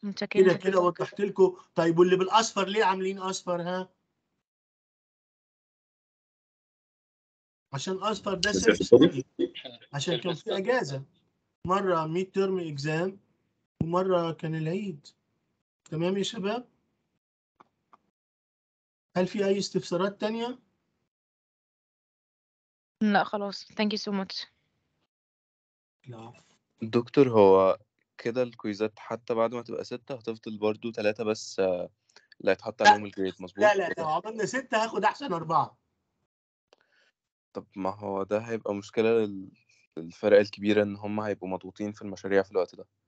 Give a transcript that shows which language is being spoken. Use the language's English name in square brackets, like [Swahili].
[Arabic] كده كده وضحت لكم. طيب واللي بالاصفر ليه عاملين اصفر؟ ها، عشان اصفر ده سيلف ستدي، عشان كان في اجازه مره ميد ترم اكزام ومره كان العيد. تمام يا شباب، هل في اي استفسارات تانية؟ لا خلاص، [English] thank you so much. [Arabic] لا دكتور، هو كده الكويزات حتى بعد ما تبقى ستة هتفضل برضو ثلاثة بس اللي هيتحط عليهم الجريد، مظبوط؟ لا لا، لو عملنا ستة هاخد احسن اربعة. طب ما هو ده هيبقى مشكلة للفرق الكبيرة، ان هم هيبقوا مضغوطين في المشاريع في الوقت ده.